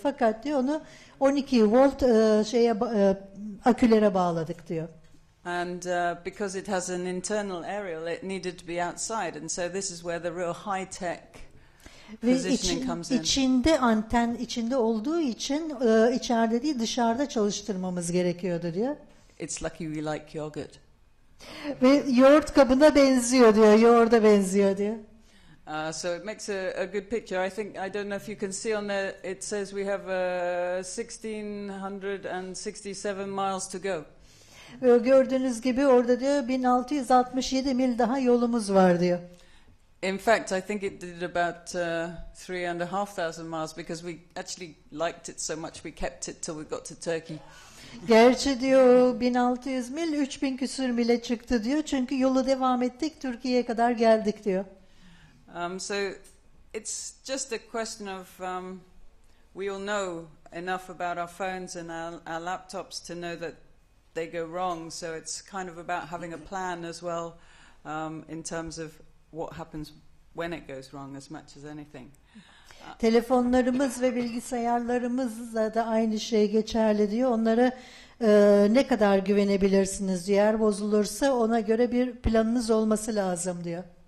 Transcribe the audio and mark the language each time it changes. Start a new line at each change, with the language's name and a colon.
Turkish: Fakat diyor onu 12 volt şeye akülere bağladık diyor.
English: And because it has an internal aerial, it needed to be outside. And so this is where the real high-tech positioning comes in.
Turkish: İçinde anten içinde olduğu için içeride değil dışarıda çalıştırmamız gerekiyordu diyor.
English: It's lucky we like yogurt.
Turkish: Ve yoğurt kabına benziyor diyor, yoğurda benziyor diyor.
English: So it makes a good picture. I think, I don't know if you can see on there, it says we have 1,667 miles to go.
Turkish: Gördüğünüz gibi orada diyor 1667 mil daha yolumuz var diyor.
English: In fact, I think it did about 3,500 miles because we actually liked it so much we kept it till we got to Turkey.
Turkish: Gerçi diyor 1600 mil 3000 küsur mile çıktı diyor çünkü yolu devam ettik Türkiye'ye kadar geldik diyor.
English: So it's just a question of we all know enough about our phones and our laptops to know that they go wrong, so it's kind of about having a plan as well in terms of what happens when it goes wrong as much as anything.
Turkish: Telefonlarımız ve bilgisayarlarımız da aynı şey geçerli diyor. Onlara ne kadar güvenebilirsiniz diyor. Eğer bozulursa ona göre bir planınız olması lazım diyor.